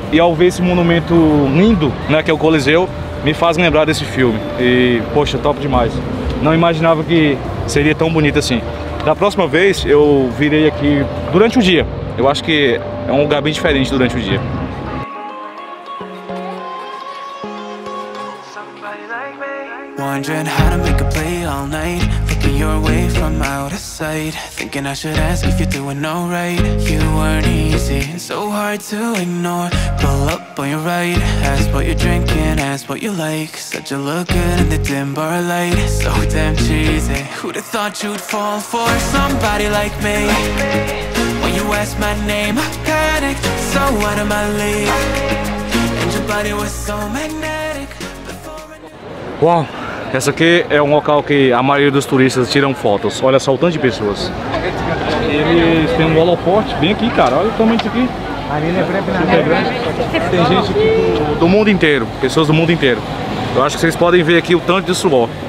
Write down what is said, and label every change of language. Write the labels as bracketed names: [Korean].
[Portuguese] E ao ver esse monumento lindo, né, que é o Coliseu, me faz lembrar desse filme. E, poxa, top demais. Não imaginava que seria tão bonito assim. Da próxima vez, eu virei aqui durante o dia. Eu acho que é um lugar bem diferente durante o dia. [English] Wondering how to make a play all night. Flipping your way from out of sight. Thinking I should ask if you're doing alright. You weren't easy, so hard to ignore. Pull up on your right, ask what you're drinking, ask what you like. Said you look good in the dim bar light. So damn cheesy, who'd have thought you'd fall for somebody like me? When you asked my name, I panicked. So out of my league, and your body was so magnetic. Wow. [Portuguese] Essa aqui é um local que a maioria dos turistas tiram fotos. Olha só o tanto de pessoas. Eles têm um holoporte bem aqui, cara. Olha o tamanho disso aqui. Arena é grande. Tem gente aqui do mundo inteiro. Pessoas do mundo inteiro. Eu acho que vocês podem ver aqui o tanto de suor.